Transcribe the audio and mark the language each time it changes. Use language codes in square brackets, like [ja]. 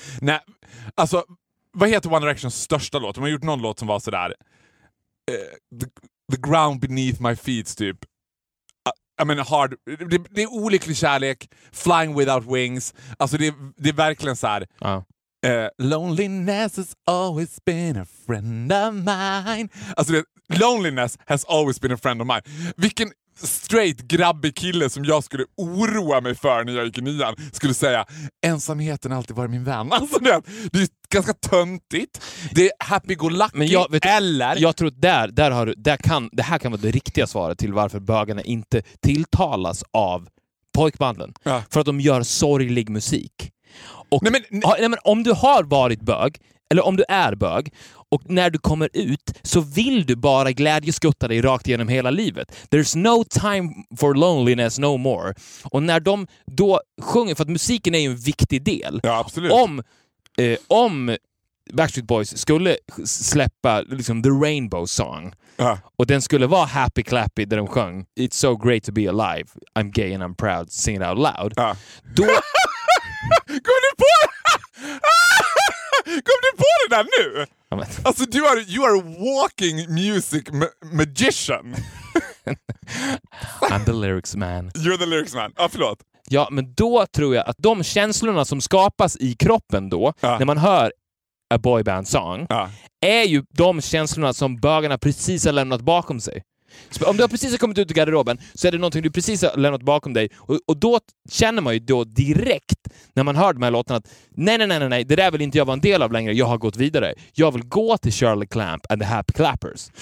[sv] Nej, alltså vad heter One Directions största låt? De har gjort någon låt som var så där [en] the ground beneath my feet [sv] typ. [en] I mean hard [sv] det är olycklig kärlek, [en] flying without wings. [sv] Alltså det är verkligen så här. Ja. [en] Loneliness has always been a friend of mine. Alltså loneliness has always been a friend of mine. [sv] Vilken straight grabbig kille som jag skulle oroa mig för när jag gick i nian skulle säga, ensamheten har alltid varit min vän. Alltså det är ganska töntigt. Det är happy-go-lucky. Men jag, vet eller... Jag tror att det här kan vara det riktiga svaret till varför bögarna inte tilltalas av pojkbanden. Ja. För att de gör sorglig musik. Och, nej, men om du har varit bög, eller om du är bög, och när du kommer ut så vill du bara glädjeskutta dig rakt igenom hela livet. [en] There's no time for loneliness no more. [sv] Och när de då sjunger, för att musiken är ju en viktig del. Ja, absolut. Om Backstreet Boys skulle släppa liksom The Rainbow Song och den skulle vara happy clappy där de sjöng [en] It's so great to be alive, I'm gay and I'm proud, sing it out loud. [sv] Går du på det? Kom du på det där nu? [en] Alltså you are a walking music magician. I'm the lyrics man. You're the lyrics man. [sv] Ja, förlåt. Ja, men då tror jag att de känslorna som skapas i kroppen då, när man hör [en] a boyband song, [sv] ja, är ju de känslorna som bögarna precis har lämnat bakom sig. Så om du har precis kommit ut ur garderoben så är det någonting du precis har lämnat bakom dig, och då känner man ju då direkt när man hör de här låtarna att nej, det där vill inte jag vara en del av längre, jag har gått vidare, jag vill gå till Shirley Clamp and the Happy Clappers.